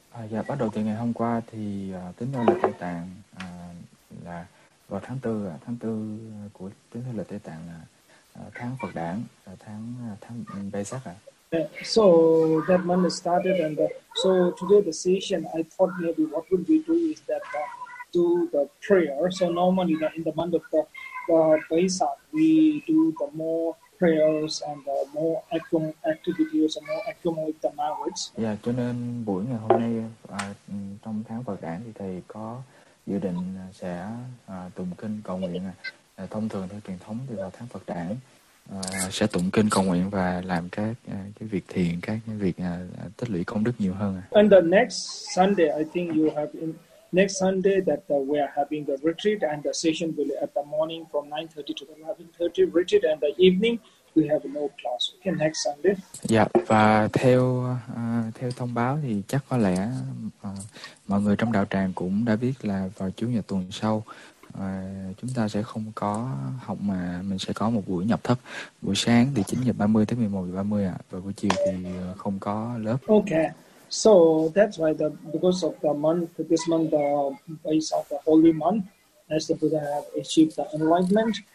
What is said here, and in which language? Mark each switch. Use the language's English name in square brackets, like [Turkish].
[Vietnamese] Dạ, bắt đầu từ ngày hôm qua thì tính theo lịch Tây Tạng là vào tháng 4, tháng 4 của tính theo lịch Tây Tạng là tháng Phật Đản, tháng tháng Vaisak ạ. [English] So that month has started, and so today the session, I thought maybe what we'll be doing is that do the prayer. So normally in the month of the Vaisak, we do the more prayers and more activities and more accumulate the merits. [Vietnamese] Dạ, cho nên buổi ngày hôm nay trong tháng Phật Đản thì thầy có dự định sẽ tụng kinh cầu nguyện. Thông thường theo truyền thống thì vào tháng Phật Đản sẽ tụng kinh cầu nguyện và làm cái việc thiện, các cái việc tích lũy công đức nhiều hơn. [English] And the next Sunday, I think you have in next Sunday that we are having the retreat, and the session will be at the morning from 9:30 to 11:30 retreat, and the evening we have no class. Okay, next Sunday. [Vietnamese] Dạ, và theo theo thông báo thì chắc có lẽ mọi người trong đạo tràng cũng đã biết là vào Chủ nhật tuần sau chúng ta sẽ không có học, mà mình sẽ có một buổi nhập thất. Buổi sáng thì 9:30 tới 11:30 ạ, và buổi chiều thì không có lớp. [English] Okay. So that's why the because of the month, this month is of the holy month, as the Buddha have achieved the enlightenment.